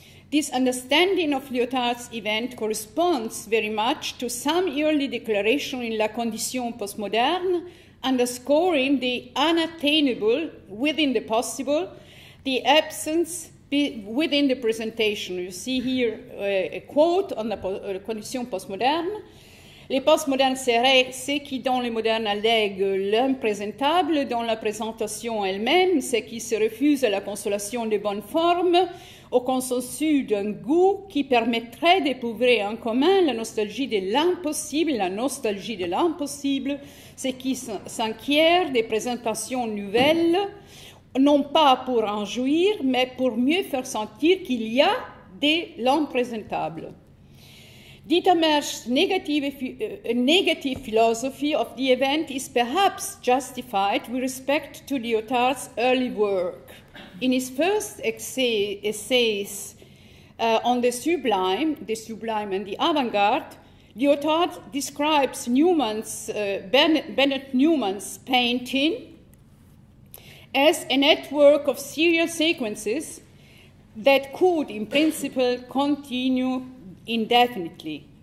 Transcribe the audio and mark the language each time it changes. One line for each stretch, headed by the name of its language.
English: This understanding of Lyotard's event corresponds very much to some early declaration in La Condition Postmoderne, underscoring the unattainable within the possible, the absence within the presentation. You see here a quote on La Condition Postmoderne.
French: Les postmodernes seraient ce qui dans le moderne allègue l'impresentable dans la présentation elle-même, ce qui se refuse à la consolation des bonnes formes, au consensus d'un goût qui permettrait d'éprouver en commun la nostalgie de l'impossible, ce qui s'inquiète des présentations nouvelles, non pas pour en jouir, mais pour mieux faire sentir qu'il y a de l'impresentable.
English: Dieter Merch's negative philosophy of the event is perhaps justified with respect to Lyotard's early work. In his first essays on the sublime and the avant-garde, Lyotard describes Bennett Newman's painting as a network of serial sequences that could, in principle, continue indefinitely.